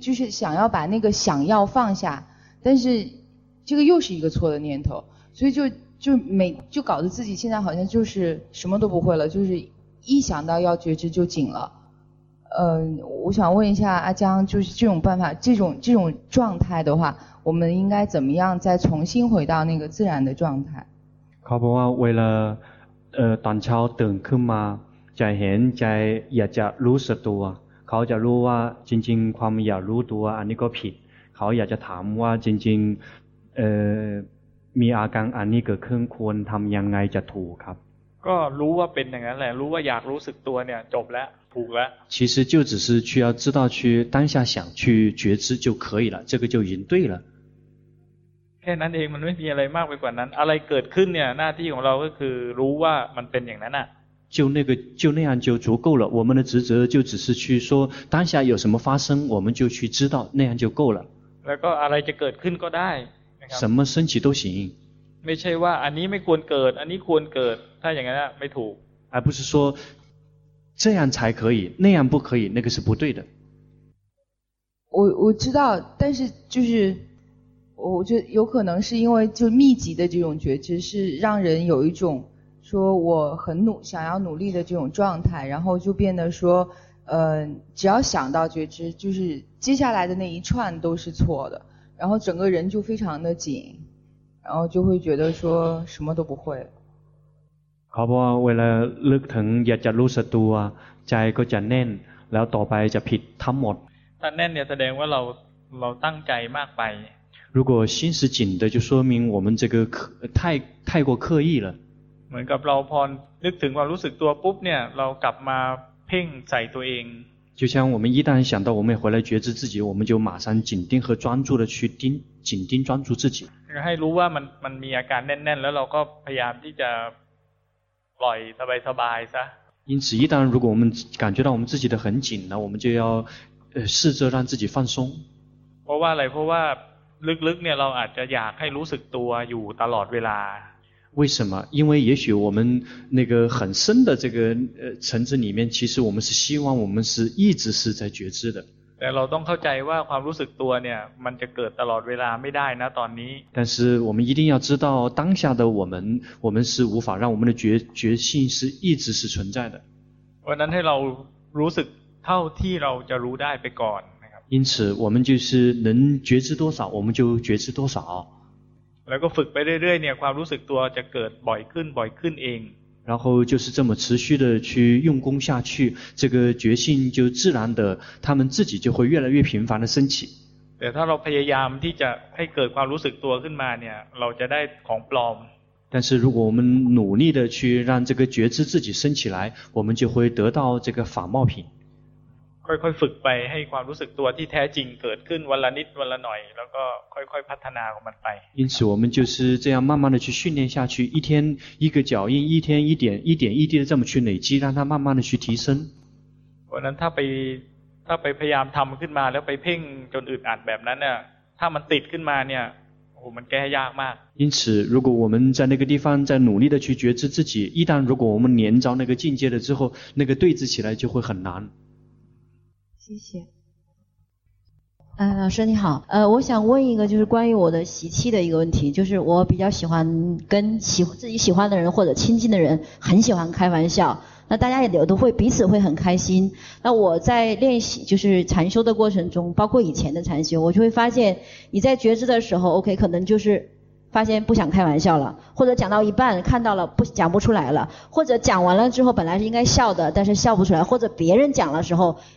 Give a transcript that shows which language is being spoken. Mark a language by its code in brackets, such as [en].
[zh] 想要把那个想要放下但是这个又是一个错的念头所以就搞得自己现在好像就是什么都不会了就是一想到要觉知就紧了我想问一下阿江就是这种办法这种状态的话我们应该怎么样再重新回到那个自然的状态 [th] เขาบอกว่าเวลาตอนเช้าตื่นขึ้นมาจะเห็นใจอยากจะรู้สึกตัวเขาจะรู้ว่าจริงๆความอยากรู้ตัวอันนี้ก็ผิดเขาอยากจะถามว่าจริงๆมีอาการอันนี้เกิดขึ้นควรทำยังไงจะถูกครับ ก็รู้ว่าเป็นอย่างนั้นแหละรู้ว่าอยากรู้สึกตัวเนี่ยจบแล้วถูกแล้ว [zh] 其实就只是需要知道去当下想去觉知就可以了这个就已经对了 [th] แค่นั้นเองมันไม่มีอะไรมากไปกว่านั้นอะไรเกิดขึ้นเนี่ยหน้าที่ของเราก็คือรู้ว่ามันเป็นอย่างนั้นอ่ะ [zh] 就那样就足够了我们的职责就只是去说当下有什么发生我们就去知道那样就够了 [th] แล้วก็อะไรจะเกิดขึ้นก็ได้ [zh] 什么升起都行 [th] ไม่ใช่ว่าอันนี้ไม่ควรเกิดอันนี้ควรเกิดถ้าอย่างนั้นไม่ถูก [zh] 而不是说这样才可以那样不可以那个是不对的我知道但是就是我觉得有可能是因为就密集的这种觉知是让人有一种说我很想要努力的这种状态然后就变得说只要想到觉知就是接下来的那一串都是错的然后整个人就非常的紧然后就会觉得说什么都不会 [th] เขาบอกว่าเวลาลึกถึงอยากจะรู้สึกตัวใจก็จะแน่นแล้วต่อไปจะผิดทั้งหมด ถ้าแน่นเนี่ยแสดงว่าเราตั้งใจมากไป [zh] 如果心是紧的就说明我们这个太过刻意了 [th] เหมือนกับเราพอนึกถึงความรู้สึกตัวปุ๊บเนี่ยเรากลับมาเพ่งใส่ตัวเอง [zh] 就像我们一旦想到我们回来觉知自己我们就马上紧盯和专注的去盯紧盯专注自己 [th] ให้รู้ว่ามันมีอาการแน่นๆแล้วเราก็พยายามที่จะปล่อยสบายๆซะ [zh] 因此一旦如果我们感觉到我们自己的很紧了我们就要试着让自己放松 [th] เพราะว่าอะไรเพราะว่าลึกๆเนี่ยเราอาจจะอยากให้รู้สึกตัวอยู่ตลอดเวลา [zh] 为什么因为也许我们那个很深的这个层次里面其实我们是希望我们是一直是在觉知的 [th] แต่เราต้องเข้าใจว่าความรู้สึกตัวเนี่ยมันจะเกิดตลอดเวลาไม่ได้นะตอนนี้ [zh] 但是我们一定要知道当下的我们是无法让我们的觉性是一直是存在的 [th] เพราะนั้นให้เรารู้สึกเท่าที่เราจะรู้ได้ไปก่อนนะครับ [zh] 因此我们就是能觉知多少我们就觉知多少 [th] แล้วก็ฝึกไปเรื่อยๆเนี่ยความรู้สึกตัวจะเกิดบ่อยขึ้นบ่อยขึ้นเอง [zh] 然后就是这么持续的去用功下去这个觉性就自然的他们自己就会越来越频繁的升起 [th] แต่ถ้าเราพยายามที่จะให้เกิดความรู้สึกตัวขึ้นมาเนี่ยเราจะได้ของปลอม [zh] 但是如果我们努力的去让这个觉知自己升起来我们就会得到这个仿冒品 [th] ค่อยๆฝึกไปให้ความรู้สึกตัวที่แท้จริงเกิดขึ้นวันละนิดวันละหน่อยแล้วก็ค่อยๆพัฒนาของมันไป [zh] 因此我们就是这样慢慢的去训练下去一天一个脚印一天一点一点一滴的这么去累积让它慢慢的去提升 [th] วันนั้นถ้าไปพยายามทำขึ้นมาแล้วไปเพ่งจนอึดอัดแบบนั้นเนี่ย [zh] 他们 [th] ติด ขึ้น มา เนี่ย โห มัน แก้ ยาก มาก [zh] 因此如果我们在那个地方在努力的去觉知自己一旦如果我们连着那个境界了之后那个对治起来就会很难谢谢老师你好我想问一个就是关于我的习气的一个问题就是我比较喜欢跟自己喜欢的人或者亲近的人很喜欢开玩笑那大家也都会彼此会很开心那我在练习就是禅修的过程中包括以前的禅修我就会发现你在觉知的时候 OK 可能就是发现不想开玩笑了或者讲到一半看到了不讲不出来了或者讲完了之后本来是应该笑的但是笑不出来或者别人讲的时候